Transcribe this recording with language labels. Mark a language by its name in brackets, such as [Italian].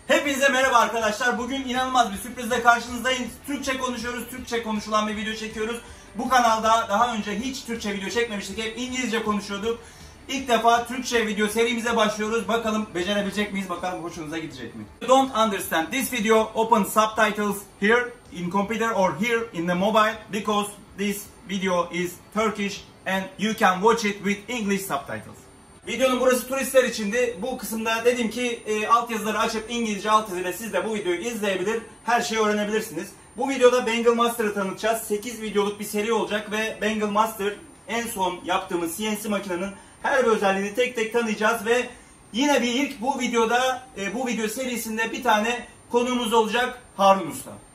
[Turkish] Herkese merhaba arkadaşlar. Bugün inanılmaz bir sürprizle karşınızdayım. Türkçe konuşuyoruz, Türkçe konuşulan bir video çekiyoruz. Bu kanalda daha önce hiç Türkçe video çekmemiştik. Hep İngilizce konuşuyorduk. İlk defa Türkçe video serimize başlıyoruz. Bakalım becerebilecek miyiz? Bakalım hoşunuza gidecek mi? [English] Don't understand. This video open subtitles here in computer or here in the mobile because this video is Turkish and you can watch it with English subtitles. [Turkish] Videonun burası turistler içindi. Bu kısımda dedim ki altyazıları açıp İngilizce altyazıyla siz de bu videoyu izleyebilir, her şeyi öğrenebilirsiniz. Bu videoda Bengal Master'ı tanıtacağız. 8 videoluk bir seri olacak ve Bengal Master en son yaptığımız CNC makinenin her bir özelliğini tek tek tanıyacağız ve yine bir ilk bu videoda, bu video serisinde bir tane konuğumuz olacak Harun Usta.